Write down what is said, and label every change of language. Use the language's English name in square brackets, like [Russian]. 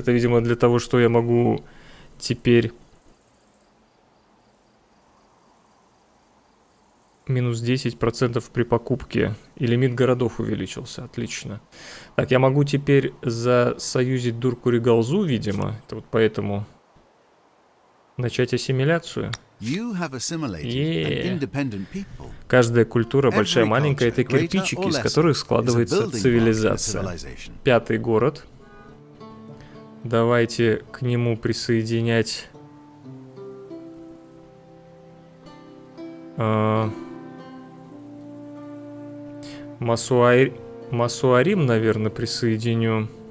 [Russian] Это, видимо, для того, что я могу теперь минус 10% при покупке. И лимит городов увеличился, отлично. Так, я могу теперь засоюзить Дурку Ригалзу, видимо, это вот поэтому начать ассимиляцию. [English] You have assimilated independent people. [Russian] Каждая культура, большая, маленькая, это кирпичики, из которых складывается цивилизация. Пятый город. Давайте к нему присоединять Масуарим, наверное, присоединю.